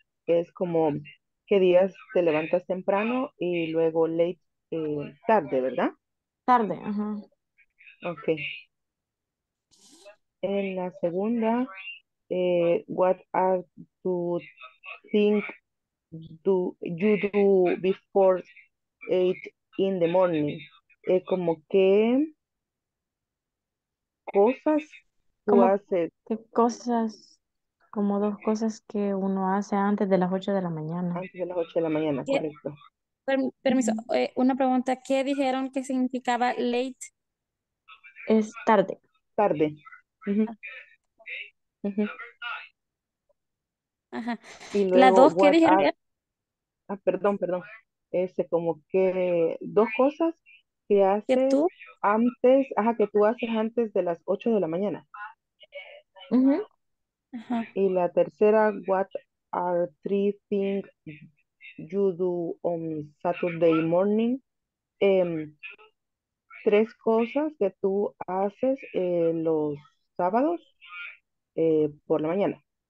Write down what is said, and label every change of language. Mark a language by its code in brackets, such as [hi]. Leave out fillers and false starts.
[es] que es como qué días te levantas temprano y luego late, tarde, ¿verdad? Tarde, ajá. Ok. En la segunda, [en] what are you think do you do before 8 in the morning? [es] Como que cosas tú haces. ¿Qué cosas? Como dos cosas que uno hace antes de las 8 de la mañana. Antes de las 8 de la mañana, correcto. Permiso, una pregunta. ¿Qué dijeron que significaba late? Es tarde. Tarde. Uh-huh. Uh-huh. Ajá. Las dos, ¿qué dijeron? Ah, perdón. Como que dos cosas que haces ¿que tú? Antes, ajá, que tú haces antes de las 8 de la mañana. Uh-huh. Y la tercera, [en] what are three things you do on Saturday morning? [es] Tres cosas que tú haces los sábados por la mañana.